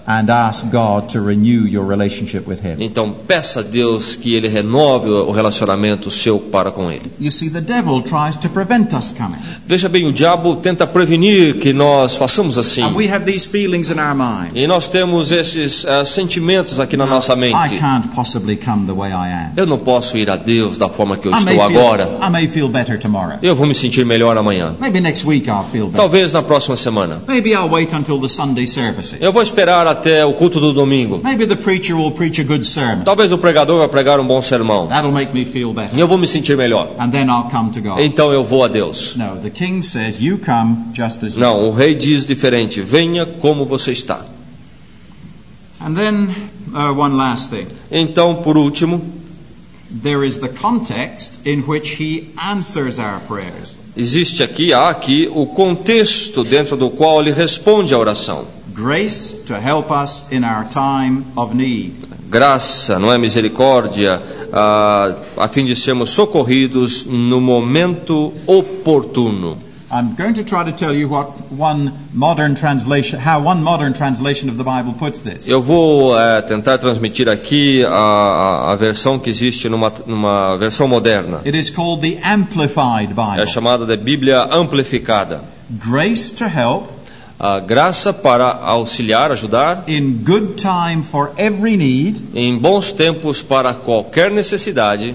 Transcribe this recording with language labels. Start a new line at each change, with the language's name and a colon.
English: And ask God to renew your relationship with Him.
Portuguese: Então peça a Deus que Ele renove o relacionamento seu para com Ele.
English: You see, the devil tries to prevent us coming.
Portuguese: Veja bem, o diabo tenta prevenir que nós façamos assim.
English: And we have these feelings in our mind.
Portuguese: E nós temos esses sentimentos aqui na nossa mente.
English: I can't possibly come the way I am.
Portuguese: Eu não posso ir a Deus da forma que eu estou agora.
English: I may feel better tomorrow.
Portuguese: Eu vou me sentir melhor amanhã.
English: Maybe next week I'll feel better.
Portuguese: Talvez na próxima semana.
English: Maybe I'll wait until the Sunday services.
Portuguese: Eu vou esperar até o culto do domingo.
English: Maybe the preacher will preach a good sermon.
Portuguese: Talvez o pregador vai pregar um bom sermão.
English: That'll make me feel better.
Portuguese: E eu vou me sentir melhor.
English: And then I'll come to God.
Portuguese: Então eu vou a Deus.
English: No, the king says, "You come just as you."
Portuguese: Não, o rei diz diferente: "Venha como você está."
English: And then, one last thing.
Portuguese: Então, por último,
English: there is the context in which he answers our prayers.
Portuguese: Existe aqui, há aqui, o contexto dentro do qual ele responde à oração.
English: Grace to help us in our time of need.
Portuguese: Graça, não é, misericórdia, a fim de sermos socorridos no momento oportuno.
English: I'm going to try to tell you what one modern translation, how one modern translation of the Bible puts this.
Portuguese: Eu vou tentar transmitir aqui a versão que existe numa versão moderna.
English: It is called the Amplified Bible.
Portuguese: É chamada de Bíblia Amplificada.
English: Grace to help.
Portuguese: A graça para auxiliar, ajudar.
English: In good time for every need.
Portuguese: Em bons tempos para qualquer necessidade.